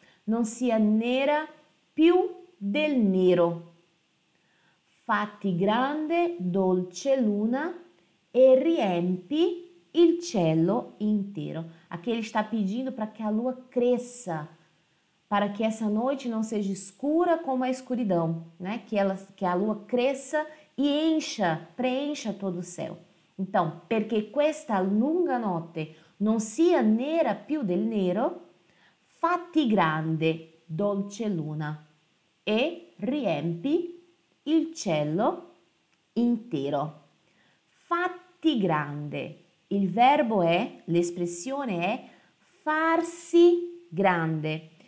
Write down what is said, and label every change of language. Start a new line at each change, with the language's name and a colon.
Italian: Non sia nera più del nero. Fatti grande, dolce luna, e riempi il cielo intero.
Portuguese: Aqui ele está pedindo para que a lua cresça, para que essa noite não seja escura como a escuridão, né? Que a lua cresça e encha, preencha todo o céu. Então,
Italian: perché questa lunga notte non sia nera più del nero, fatti grande, dolce luna, e riempi il cielo intero. Fatti grande. Il verbo è, l'espressione è farsi grande.